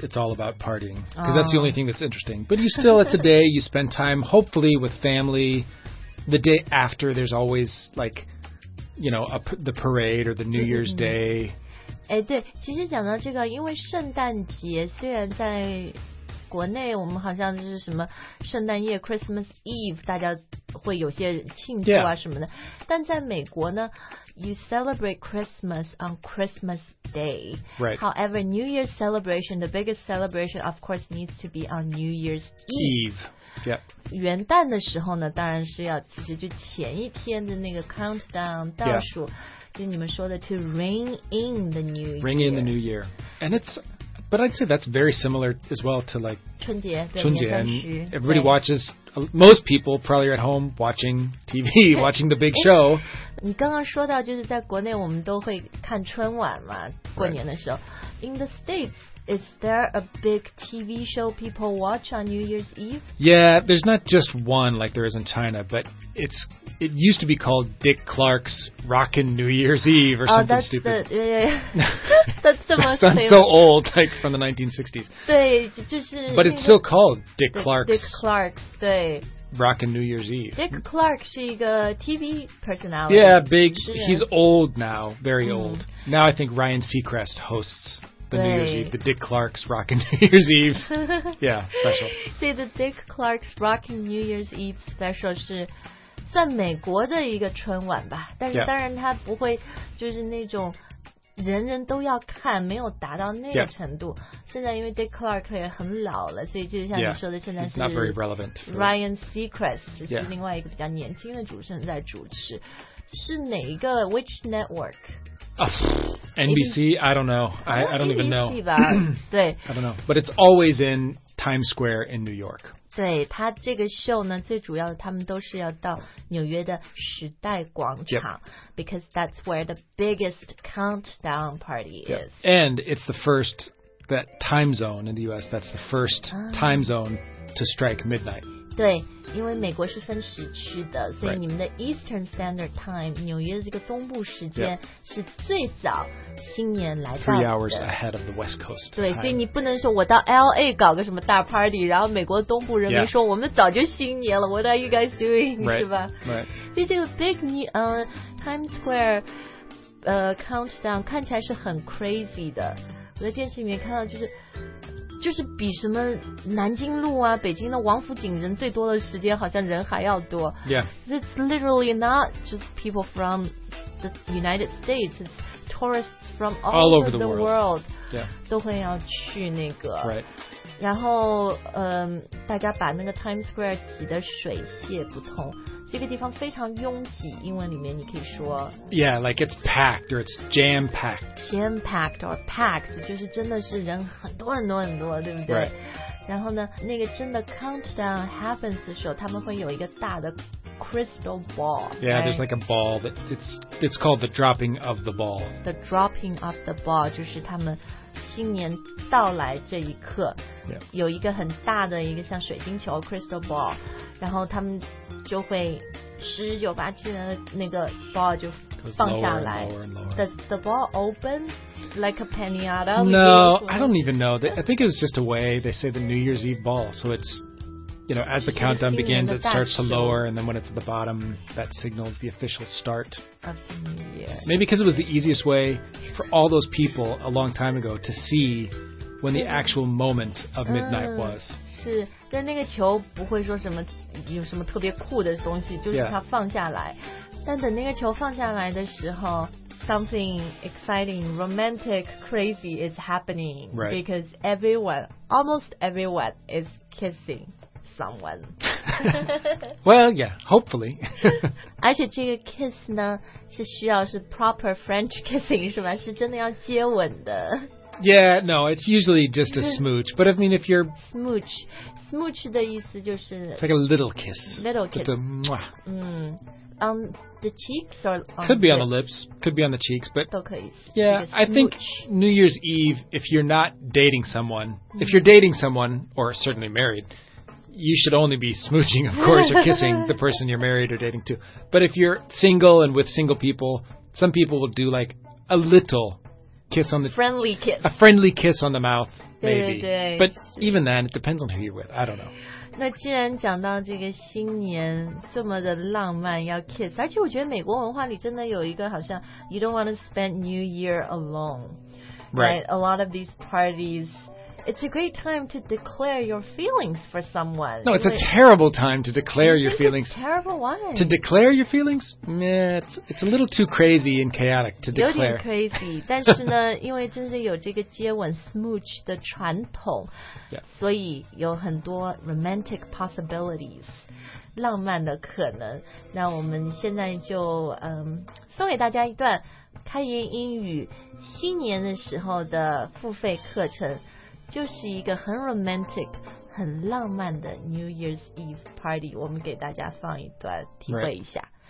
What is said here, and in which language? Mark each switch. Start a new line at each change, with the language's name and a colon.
English: It's all about partying because that's the only thing that's interesting. But you still, it's a day you spend time, hopefully with family. The day after, there's always like, you know, the parade or the New Year's Day.
Chinese: 对，其实讲到这个，因为圣诞节虽然在国内我们好像就是什么圣诞夜 Christmas Eve 大家会有些庆祝啊什么的、
English: yeah.
Chinese: 但在美国呢
English: you celebrate Christmas on Christmas Day、 right. however New Year's celebration the biggest celebration of course needs to be on New Year's Eve、yep.
Chinese: 元旦的时候呢当然是要其实就前一天的那个 countdown 倒数、
English: yeah.
Chinese: 就你们说的
English: to ring in the New Year ring in the New Year and itsBut I'd say that's very similar as well to like
Chinese: 春节
English: 春节and everybody watches, most people probably are at home watching TV, watching the big show.
Chinese: 你刚刚说到就是在国内我们都会看春晚嘛过年的时候、
English: right. In the States, is there a big TV show people watch on New Year's Eve? Yeah, there's not just one like there is in China, but it used to be called Dick Clark's Rockin' New Year's Eve or something that's stupid. The, yeah, yeah, yeah. That's the most sounds so old, like from the 1960s.
Chinese: 对，就是
English: But it's still called Dick Clark's Dick Clark's, 对 Rockin' New Year's Eve.
Chinese: Dick Clark 是一个 TV personality.
English: Yeah, big, he's old now, very old. Now I think Ryan Seacrest hosts... The New Year's Eve, the Dick Clark's Rockin' New Year's Eve. Yeah, special.
Chinese: See, the Dick Clark's Rockin' New Year's Eve special 是算美国的一个春晚吧，但是当然它不会就是那种人人都要看，没有达到那个程度。现在因为 Dick Clark 也很老了，所以就像你说的，现在是
English: not very relevant.
Chinese: Ryan Seacrest 是另外一个比较年轻的主持人在主持，是哪一个
English: Which network? NBC, I don't know. I don't even know.
Chinese: NBC吧,
English: I don't know. But it's always in Times Square in New York.
Chinese: 对，他这个秀呢，最主要的他们都是要到纽约的时代广场
English: because that's where the biggest countdown party
Chinese: is.
English: And it's the first, that time zone in the US, that's the first time zone to strike midnight.
Chinese: 对，因为美国是分时区的，所以你们的 Eastern Standard Time， 纽约的这个东部时间是最早新年来到的。
English: Three hours ahead of the West Coast.
Chinese: 对，所以你不能说我到 LA 搞个什么大 party， 然后美国东部人民说我们早就新年了。
English: What are you guys doing？ Right,
Chinese: 是吧？
English: Right.
Chinese: 所以这个 big Times Square countdown 看起来是很 crazy 的。我在电视里面看到就是比什么南京路啊北京的王府井人最多的时间好像人还要多。
English: Yeah. It's literally not just people from the United States. It's tourists from all over the world.
Chinese: Yeah. 都会要去那个。
English: Right.
Chinese: 然后大家把那个 Times Square 挤得水泄不通，这个地方非常拥挤，英文里面你可以说
English: Yeah, like it's packed or it's jam-packed.
Chinese: Jam-packed or packed, 就是真的是人很多很多很多，对不对、
English: right.
Chinese: 然后呢那个真的
English: countdown happens
Chinese: 的时候，他们会有一个大的crystal ball.
English: Yeah,、 right? there's like a ball that it's called the dropping of the ball.
Chinese: The dropping of the ball 就是他们新年到来这一刻、
English: yeah.
Chinese: 有一个很大的一个像水晶球 crystal ball, 然后他们就会十九八七的那个 ball 就放下来。
English: Does the ball open like a pinata? No, I don't even know. I think it's just a way they say the New Year's Eve ball, so it'sYou know, as the countdown begins, it starts to lower, and then when it's at the bottom, that signals the official start. Of the new year. Maybe because it was the easiest way for all those people a long time ago to see when the actual moment of midnight was.
Chinese: 是，但那个球不会说什么有什么特别酷的东西，就是它放下来。但等那个球放下来的时候。
English: Something exciting, romantic, crazy is happening. Right. Because everyone, almost everyone, is kissing someone. Well, yeah, hopefully.
Chinese: 而且这个 kiss 呢是需要是
English: proper French kissing,
Chinese: 是吧是真的要接吻的。
English: Yeah, no, it's usually just a smooch. But I mean, if you're... Smooch.
Chinese: Smooch 的意思就是...
English: It's like a little kiss. Little kiss. Just a mwah. On the cheeks or on could be lips? On the lips, could be on the cheeks, but
Chinese: 都可以
English: yeah, I think New Year's Eve, if you're not dating someone,、mm. if you're dating someone, or certainly married, you should only be smooching, of course, or kissing the person you're married or dating to. But if you're single and with single people, some people will do like a little kiss on the... Friendly kiss. A friendly kiss on the mouth, maybe. But even then, it depends on who you're with, I don't know.
Chinese: 那既然讲到这个新年这么的浪漫要 kiss, 而且我觉得美国文化里真的有一个好像
English: you don't want to spend New Year alone. Right. A lot of these parties, it's a great time to declare your feelings for someone. No, it's a terrible time to declare your feelings. It's a terrible one. To declare your feelings? Yeah, it's a little too crazy and chaotic to declare.
Chinese: 有点 crazy, 但是呢因为真是有这个接吻 smooch 的传统。
English: Yeah.
Chinese: 所以有很多
English: romantic possibilities,
Chinese: 浪漫的可能。那我们现在就送给大家一段开言英语新年的时候的付费课程，就是一个很 romantic, 很浪漫的 New Year's Eve party, 我们给大家放一段体会一下。